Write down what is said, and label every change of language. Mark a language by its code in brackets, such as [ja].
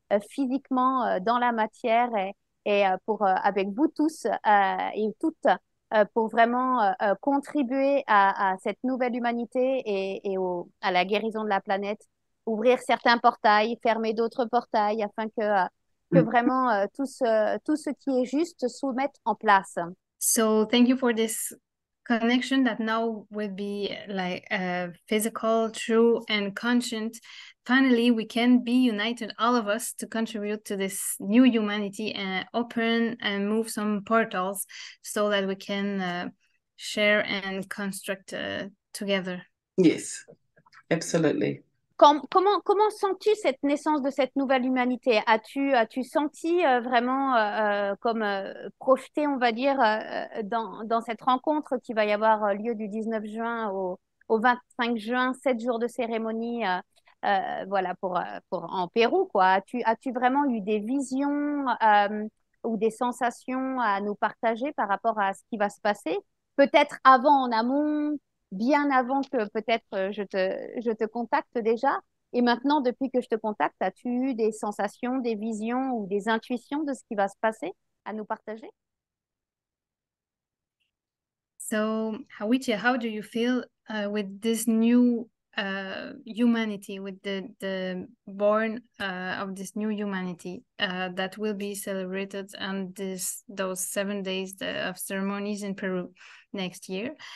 [fr] physiquement dans la matière et avec vous tous et toutes pour vraiment contribuer à cette nouvelle humanité et à la guérison de la planète, ouvrir certains portails, fermer d'autres portails, afin que vraiment tout ce qui est juste se mette en place. [en] So thank you for this connection that now will be like physical, true and conscient. Finally, we can be united, all of us, to contribute to this new humanity and open and move some portals so that we can share and construct together. Yes, absolutely. [fr] Comment sens-tu cette naissance de cette nouvelle humanité? As-tu senti vraiment comme profiter, on va dire, dans cette rencontre qui va y avoir lieu du 19 juin au 25 juin, 7 jours de cérémonie voilà pour en Pérou quoi. As-tu vraiment eu des visions ou des sensations à nous partager par rapport à ce qui va se passer? Peut-être avant, en amont, bien avant que peut-être je te contacte déjà. Et maintenant, depuis que je te contacte, as-tu eu des sensations, des visions ou des intuitions de ce qui va se passer à nous partager? [en] So, Awhitia, how do you feel with this new humanity, with the born of this new humanity that will be celebrated on those 7 days of ceremonies in Peru next year?